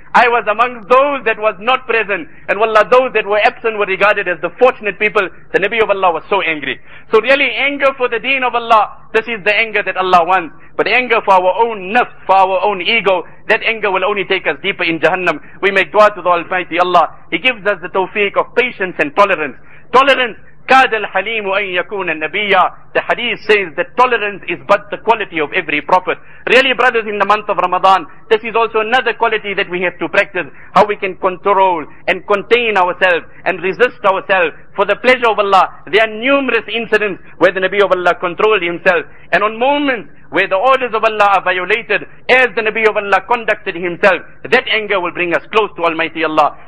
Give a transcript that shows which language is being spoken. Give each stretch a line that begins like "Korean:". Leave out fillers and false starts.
English: I was among those that was not present, and wallah, those that were absent were regarded as the fortunate people. The Nabi of Allah was so angry. So really, anger for the deen of Allah, this is the anger that Allah wants. But anger for our own nafs, for our own ego, that anger will only take us deeper in Jahannam. We make dua to the Almighty Allah. He gives us the tawfiq of patience and tolerance.
Arabic: Tolerance, كَادَ الْحَلِيمُ أَن يَكُونَ النَّبِيَّ.
English: The hadith says that tolerance is but the quality of every prophet. Really, brothers, in the month of Ramadan, this is also another quality that we have to practice, how we can control and contain ourselves and resist ourselves for the pleasure of Allah. There are numerous incidents where the Nabi of Allah controlled himself, and on moments where the orders of Allah are violated, as the Nabi of Allah conducted himself, that anger will bring us close to Almighty Allah.